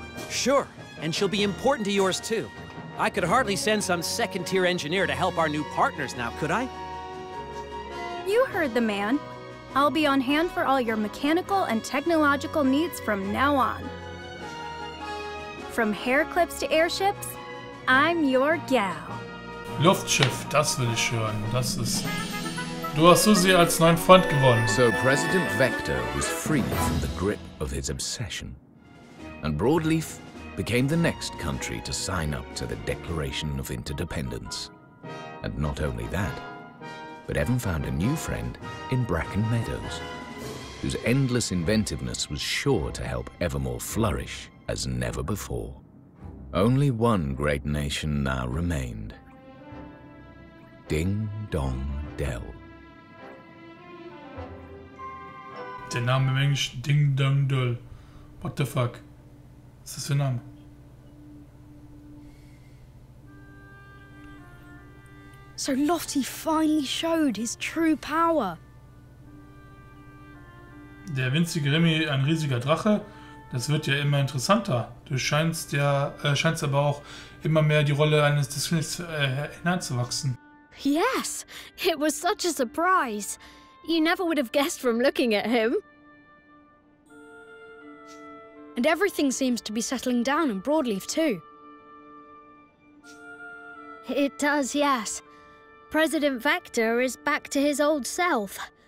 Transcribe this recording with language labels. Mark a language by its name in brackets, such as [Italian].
[English] Sure, and she'll be important to yours too. I could hardly send some second-tier engineer to help our new partners now, could I? You heard the man. I'll be on hand for all your mechanical and technological needs from now on. From hair clips to airships, I'm your gal. [German] Luftschiff, das will ich hören. Das ist... Du hast Susie als neuen Freund gewonnen. [English] So President Vector was free from the grip of his obsession. And Broadleaf became the next country to sign up to the Declaration of Interdependence. And not only that, but Evan found a new friend in Bracken Meadows, whose endless inventiveness was sure to help Evermore flourish as never before. Only one great nation now remained. Ding Dong Dell. [German] Der Name im Englischen Ding Dong Dell. [English] What the fuck? [German] Was ist das für ein Name? [English] So Lofty finally showed his true power. [German] Der winzige Remy, ein riesiger Drache. Das wird ja immer interessanter. Du scheinst aber auch immer mehr die Rolle eines Disneys hineinzuwachsen. [English] Yes, it was such a surprise. You never would have guessed from looking at him. And everything seems to be settling down in Broadleaf too. It does, yes. President Vector is back to his old self.